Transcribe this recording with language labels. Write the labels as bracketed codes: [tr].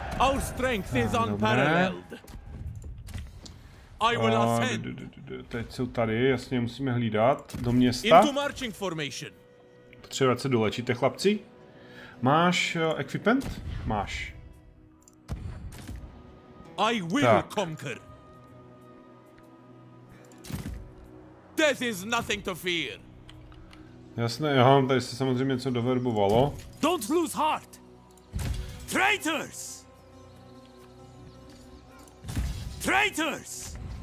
[en] Our strength is unparalleled. I will ascend. [cs] Teď jsou tady, jasně musíme hlídat do města. [en] Into marching formation. [cs] Potřebujete se dolečit, chlapci? Máš equipment? Máš. [en] I will conquer. Death is nothing to fear. [cs] Jasné, jo, tady se samozřejmě něco doverbovalo. [en] Don't lose heart. Traitors! Traitors!